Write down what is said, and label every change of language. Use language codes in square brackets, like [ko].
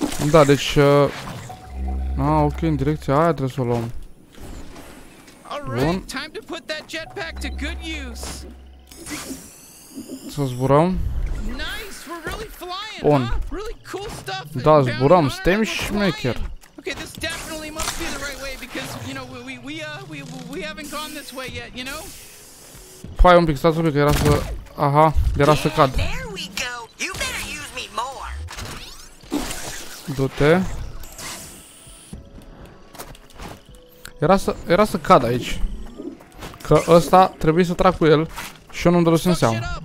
[ro] Da, deci... ok, în direcția aia trebuie să o luăm. Bun. [en] Time to put that jetpack to good use. [ro] Să zburăm. [en] Nice, we're really flying. [ro] Bun. [en] Huh? Really cool stuff. [ro] Da, zburăm, suntem șmecher. [en] Okay, this definitely must be the right way because, you know, we haven't gone this way yet, you know? [ro] Pai un pic, stați un pic, era să... Aha, era să cad. [en] There we go. You better use me more. [ro] Du-te. Era să cad aici. Că ăsta trebuie să trag cu el și eu nu-mi dădus în seama.